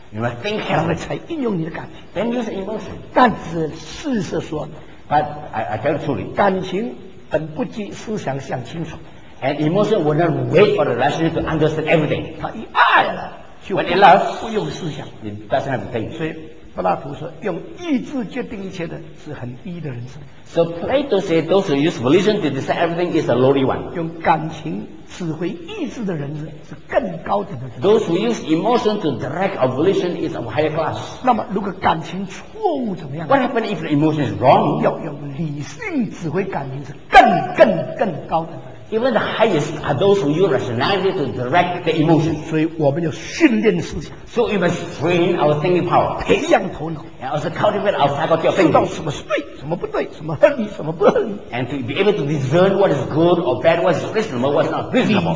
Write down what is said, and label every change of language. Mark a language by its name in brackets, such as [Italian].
[English] You must think carefully [Chinese] 然后才应用你的感情 [English] Then use emotion [Chinese] 但是事实说 [English] But I tell you truly [Chinese] 感情本不及思想想清楚 [English] And emotion will not wait for the rationality to understand everything [Chinese] 他一爱了 [English] When it loves [Chinese] 不用思想 [English] It doesn't have to think [Chinese] 所以柏拉图说用意志决定一切的是很低的人生 [English] So Plato said those who use volition to decide everything is a lowly one [Chinese] 用感情指挥意志的人生是更高等的人生 [English] Those who use emotion to direct a volition is a higher class [Chinese] 那么如果感情错误怎么样 [English] What happens if the emotion is wrong [Chinese] 要用理性指挥感情是更高等的人生 [English] Even the highest are those who use rationality to direct the emotion [Chinese] 所以我们要训练思想 [English] So we must train our thinking power [Chinese] 培养头脑 [English] And also cultivate our faculty of thinking [Chinese] 知道什么是对什么不对什么合理什么不合理 [English] And to be able to discern what is good or bad what is reasonable what is not reasonable